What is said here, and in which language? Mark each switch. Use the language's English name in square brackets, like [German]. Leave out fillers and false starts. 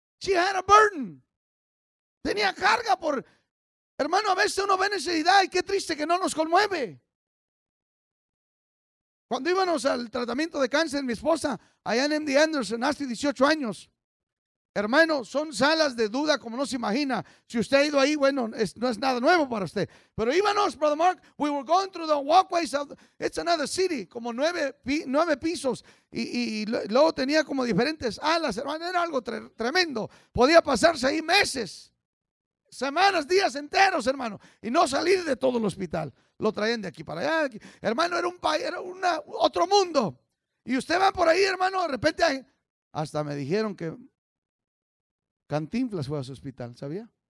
[English] She had a burden. [Spanish] Tenía carga por, hermano, a veces uno ve necesidad y qué triste que no nos conmueve. Cuando íbamos al tratamiento de cáncer, mi esposa, allá en MD Anderson, hace 18 años, hermano, son salas de duda como no se imagina. Si usted ha ido ahí, bueno, es, no es nada nuevo para usted. Pero íbamos, [English] Brother Mark, we were going through the walkways of, it's another city, [Spanish] como nueve pisos. Y luego tenía como diferentes alas, hermano, era algo tremendo. Podía pasarse ahí meses, semanas, días enteros, hermano, y no salir de todo el hospital. Lo traían de aquí para allá. Aquí. Hermano, era un país, era una, otro mundo. Y usted va por ahí, hermano, de repente hay, hasta me dijeron que Cantinflas fue a su hospital, ¿sabía?